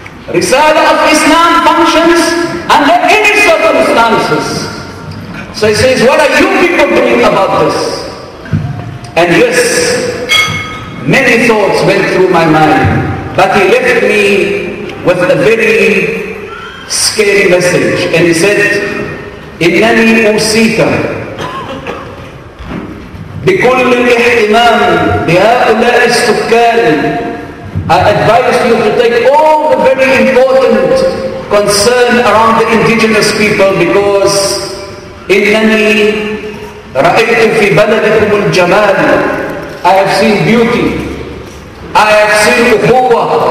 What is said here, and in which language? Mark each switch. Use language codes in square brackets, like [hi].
[en] Risala of Islam functions under any circumstances. So he says, what are you people doing about this? And yes, many thoughts went through my mind. But he left me with a very scary message. And he said, [ar] إِنَّنِي أُوْسِيكَ بِكُلِّ الْإِحْتِمَامِ بِهَاُلَاءِ السُّكَّانِ. [en] I advise you to take all the very important concern around the indigenous people, because [ar] إِنَّنِي رَأَيْتُ فِي بَلَدِكُمُ الْجَمَالِ. [en] I have seen beauty. I have seen Uhuwa.